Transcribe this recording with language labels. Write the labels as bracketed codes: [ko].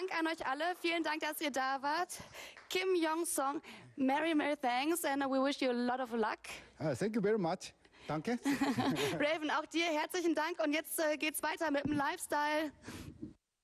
[de] Euch alle. Vielen Dank, dass ihr da wart. [en] Kim Yong-Song, Merry, Merry Thanks and we wish you a lot of luck. Thank you very much. [de] Danke. Raven, auch dir herzlichen Dank und jetzt geht's weiter mit dem Lifestyle.